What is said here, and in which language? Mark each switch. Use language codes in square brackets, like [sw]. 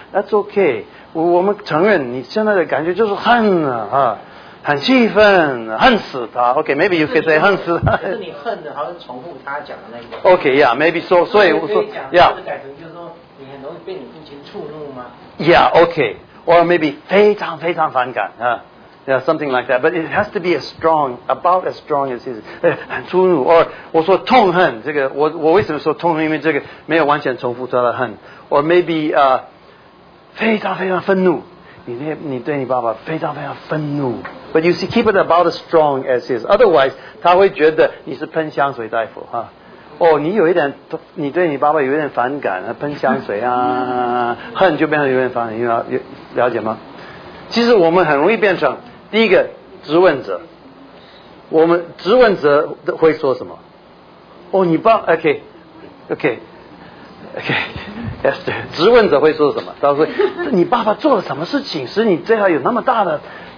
[en] That's okay， [zh] 我们承认你现在的感觉就是恨啊。啊很气愤，恨死他。 [en] OK， maybe you could say [zh] 恨死他。是你恨的，好像重复他讲的那个。 [en] OK， yeah， maybe so。 [zh] 所以我说，可以讲， yeah，或者改成就是说，你很容易被你父亲触怒吗？ [en] Yeah， OK， or maybe [zh] 非常非常反感啊。 [en] Yeah, something like that. But it has to be as strong, about as strong as his. [zh] 很粗鲁。 [en] Or [zh] 我说痛恨这个，我为什么说痛恨？因为这个没有完全重复他的恨。 [en] Or maybe [zh] 非常非常愤怒。你对你爸爸非常非常愤怒。 [en] But you see, keep it about as strong as his. Otherwise, [zh] 他会觉得你是喷香水大夫哈。哦，你有一点，你对你爸爸有点反感，喷香水啊，恨就变成有点反感，了解吗？其实我们很容易变成第一个质问者。我们质问者会说什么？哦，你爸 ， [en] OK， [zh] Esther， 质问者会说什么？他说：“你爸爸做了什么事情，使你对他有那么大的？”